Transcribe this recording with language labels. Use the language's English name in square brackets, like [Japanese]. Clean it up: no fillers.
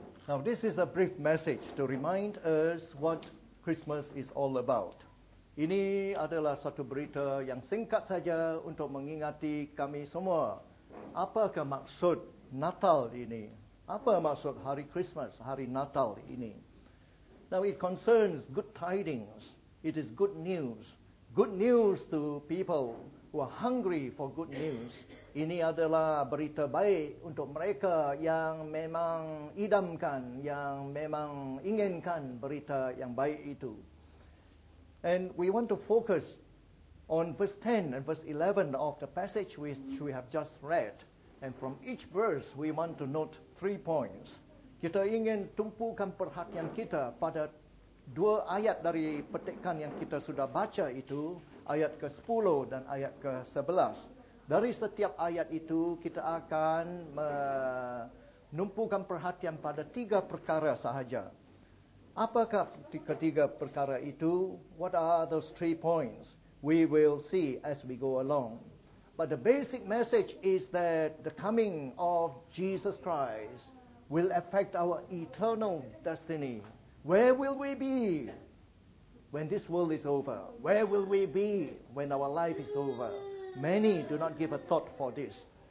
[English] Now this is a brief message to remind us what Christmas is all about. [Malay] Ini adalah satu berita yang singkat saja untuk mengingati kami semua. Apakah maksud Natal ini? Apa maksud hari Christmas, hari Natal ini? [English] Now it concerns good tidings. It is good news. Good news to people who are hungry for good news. [Malay] Ini adalah berita baik untuk mereka yang memang idamkan, yang memang inginkan berita yang baik itu. [English] And we want to focus on verse 10 and verse 11 of the passage which we have just read. And from each verse, we want to note 3 points. [Malay] Kita ingin tumpukan perhatian kita pada 2 ayat dari petikan yang kita sudah baca itu, ayat ke-10 dan ayat ke-11. Dari setiap ayat itu, kita akan menumpukan perhatian pada 3 perkara sahaja. Apakah ketiga perkara itu? [English] What are those 3 points? We will see as we go along. But the basic message is that the coming of Jesus Christ will affect our eternal destiny. Where will we be when this world is over? Where will we be when our life is over? Many do not give a thought for this.